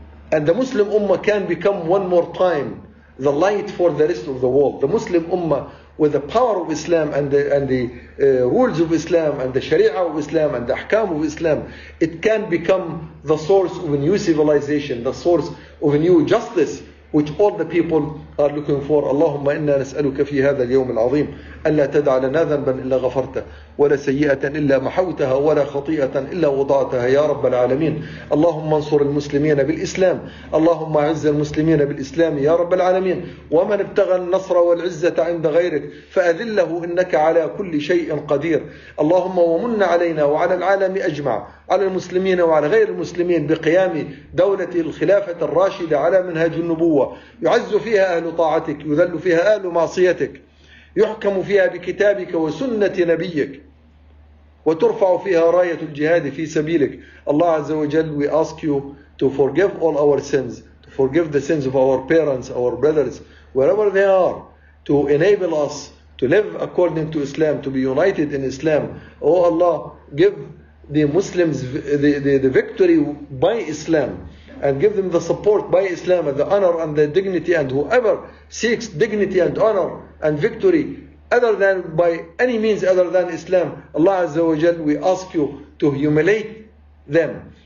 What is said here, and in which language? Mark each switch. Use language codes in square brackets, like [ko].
[en] And the Muslim Ummah can become one more time the light for the rest of the world. The Muslim Ummah, with the power of Islam and the rules of Islam and the Sharia of Islam and the Ahkam of Islam, it can become the source of a new civilization, the source of a new justice, which all the people are looking for. [ar] اللهم إنا نسألك في هذا اليوم العظيم أن لا تدع لنا ذنبا إلا غفرته ولا سيئة إلا محوتها ولا خطيئة إلا وضعتها يا رب العالمين. اللهم انصر المسلمين بالإسلام, اللهم عز المسلمين بالإسلام يا رب العالمين. ومن ابتغى النصر والعزة عند غيرك فأذله إنك على كل شيء قدير. اللهم ومن علينا وعلى العالم أجمع, على المسلمين وعلى غير المسلمين, بقيام دولة الخلافة الراشدة على منهج النبوة, يعز فيها أهل طاعتك, يذل فيها أهل معصيتك, يحكم فيها بكتابك وسنة نبيك, وترفع فيها راية الجهاد في سبيلك. الله عز وجل, [en] we ask you to forgive all our sins, to forgive the sins of our parents, our brothers, wherever they are, to enable us to live according to Islam, to be united in Islam. Oh Allah, give the Muslims the victory by Islam, and give them the support by Islam and the honor and the dignity, and whoever seeks dignity and honor and victory other than by any means other than Islam, Allah Azza wa Jal, we ask you to humiliate them.